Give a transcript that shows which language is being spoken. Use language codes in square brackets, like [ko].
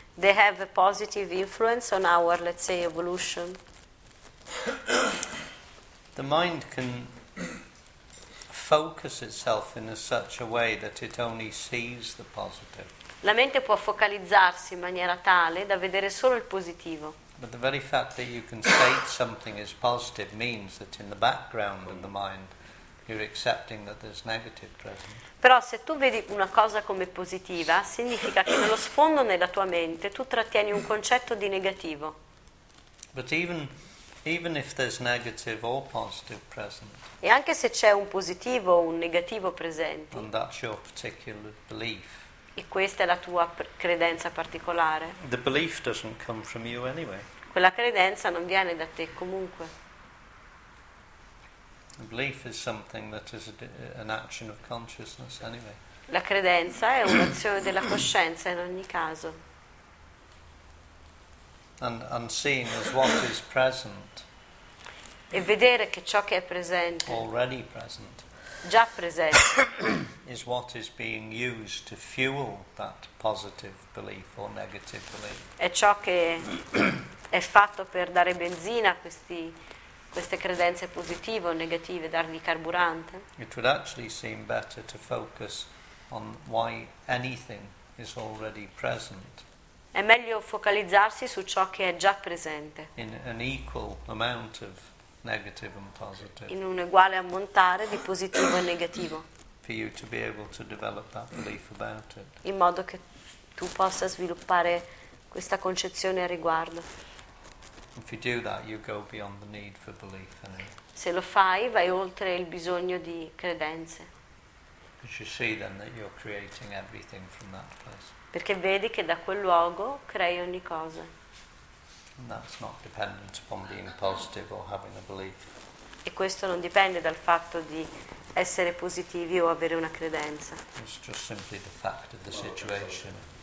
[en] They have a positive influence on our, let's say, evolution. The mind can focus itself in such a way that it only sees the positive. [it] La mente può focalizzarsi in maniera tale da vedere solo il positivo. [en] But the very fact that you can state something is positive means that in the background of the mind you're accepting that there's negative present. [it] Però se tu vedi una cosa come positiva, significa che nello sfondo nella tua mente tu trattieni un concetto di negativo. [en] But even if there's negative or positive present. [it] E anche se c'è un positivo o un negativo presente. [en] And that's your particular belief. [it] E questa è la tua credenza particolare. [en] The belief doesn't come from you anyway. [it] Quella credenza non viene da te comunque. [en] The belief is something that is an action of consciousness anyway. [it] La credenza è un'azione della coscienza in ogni caso. [en] And seeing as what is present. [it] E vedere che ciò che è presente. [en] Already present. [it] Già presente. [en] Is what is being used to fuel that positive belief or negative belief. [it] È ciò che è fatto per dare benzina a queste credenze positive o negative, dargli carburante. [en] It would actually seem better to focus on why anything is already present. [it] È meglio focalizzarsi su ciò che è già presente. [en] In an equal amount of negative and positive. [it] In un uguale ammontare di positivo e negativo. [en] For you to be able to develop that belief about it. [it] In modo che tu possa sviluppare questa concezione a riguardo. [en] If you do that, you go beyond the need for belief. [it] Se lo fai, vai oltre il bisogno di credenze. [en] Because you see then that you're creating everything from that place. [it] Perché vedi che da quel luogo crei ogni cosa. [en] And that's not dependent upon being positive or having a belief. [it] E questo non dipende dal fatto di essere positivi o avere una credenza. [en] It's just simply the fact of the situation.